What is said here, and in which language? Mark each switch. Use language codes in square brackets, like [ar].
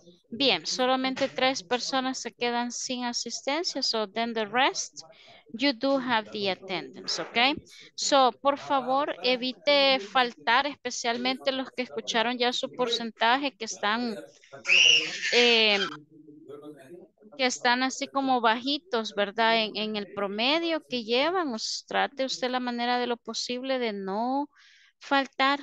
[es] Bien, solamente tres personas se quedan sin asistencia. [en] So then the rest, you do have the attendance, okay? [es] So, por favor, evite faltar, especialmente los que escucharon ya su porcentaje, que están así como bajitos, ¿verdad? En el promedio que llevan, trate usted la manera de lo posible de no faltar.